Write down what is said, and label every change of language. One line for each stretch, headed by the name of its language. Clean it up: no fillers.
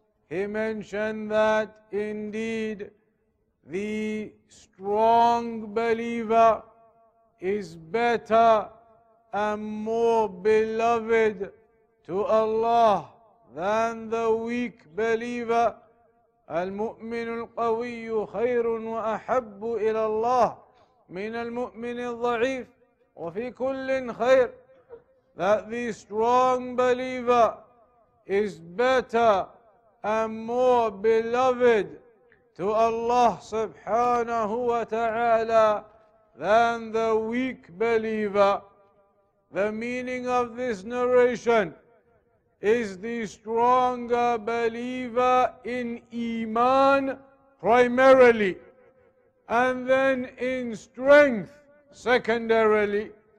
English: He mentioned that indeed the strong believer is better and more beloved to Allah than the weak believer.
Arabic: المؤمن القوي خير وأحب إلى الله من المؤمن الضعيف وفي كل خير.
English: That the strong believer is better and more beloved to Allah subhanahu wa ta'ala than the weak believer. The meaning of this narration is the stronger believer in iman primarily, and then in strength secondarily.